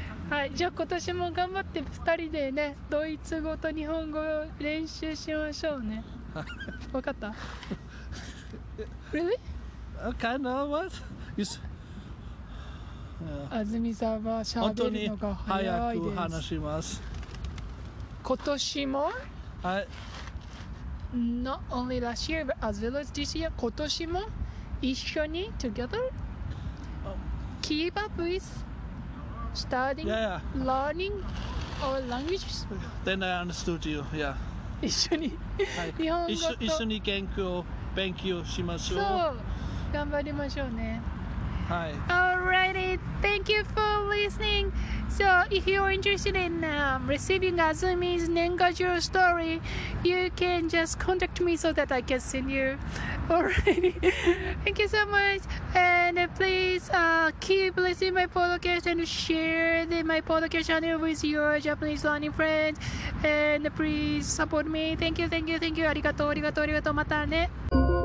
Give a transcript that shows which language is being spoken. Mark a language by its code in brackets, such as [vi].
[ja] はい、じゃあ今年も頑張って2人でね、ドイツ語と日本語を練習しましょうね。わかった ？ [en] Really？ Kind of what？ Yes。 [ja] 安住さんは喋るのが早いです。本当に早く話します。今年も？はい。 [en] Not only last year, but as well as this year. [ja] 今年も一緒に [en] together。Keep up with studying, yeah, yeah. Learning our languages. Then I understood you, yeah. [ja] 一緒に日本語と一緒に勉強しましょう。そう、頑張りましょうね。はい。 [en] Alrighty, thank you for listening. So if you're interested in receiving Azumi's Nengajo story, you can just contact me so that I can send you. Alrighty, thank you so much. And please keep listening to my podcast and share my podcast channel with your Japanese learning friends. And please support me. Thank you. [ja] Arigato, arigato, arigato. Mata ne.